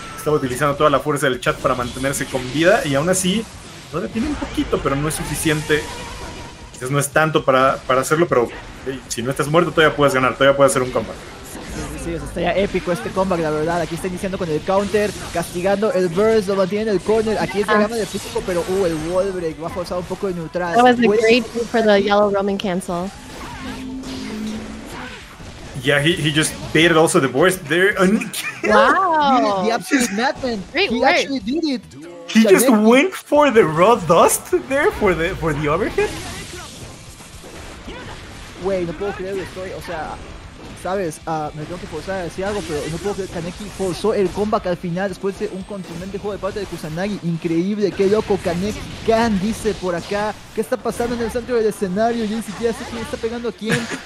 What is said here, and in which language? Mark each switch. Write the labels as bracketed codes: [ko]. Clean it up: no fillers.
[es] Estaba utilizando toda la fuerza del chat para mantenerse con vida. Y aún así, lo detiene un poquito, pero no es suficiente. Quizás no es tanto para hacerlo, pero hey, si no estás muerto, todavía puedes ganar. Todavía puedes hacer un comeback. Sí, estaría épico este comeback, la verdad. Aquí está iniciando con el counter, castigando el burst, lo mantiene en el corner. Aquí el programa de físico, pero el wall break va a forzar un poco de neutral. [en] That was a great move for the yellow roaming cancel. Yeah, he just baited also the voice there. Wow! The absolute madman. Great work. He actually did it. He just went for the raw dust there for the overhead. [es] Wait, no puedo creer la historia. O sea, sabes, me tengo que forzar a decir algo, pero no puedo creer que Kaneki forzó el comeback al final después de un contundente juego de parte de Kusanagi. Increíble, qué loco. Kaneki Khan dice por acá, ¿qué está pasando en el centro del escenario? Yo ni siquiera sé quién está pegando a quién.